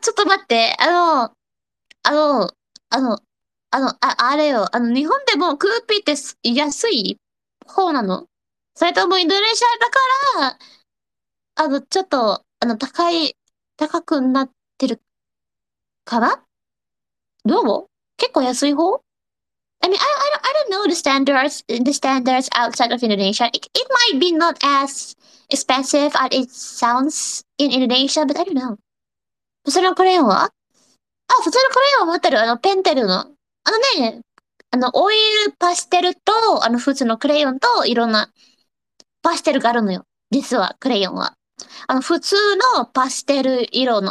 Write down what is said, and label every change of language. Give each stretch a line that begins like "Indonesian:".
Japanese: ちょっと待って、あれよ、日本でもクーピーって安い方なの？それともインドネシアだから、ちょっと、高くなってるかな？どう思う？結構安い方？
English: I mean, I don't know the standards outside of Indonesia. It might be not as expensive as it sounds in Indonesia, but I don't know.
Japanese: 普通のクレヨンは？あ、普通のクレヨンは持ってる。ペンテルの。オイルパステルと、普通のクレヨンといろんなパステルがあるのよ。実は、クレヨンは。普通のパステル色の。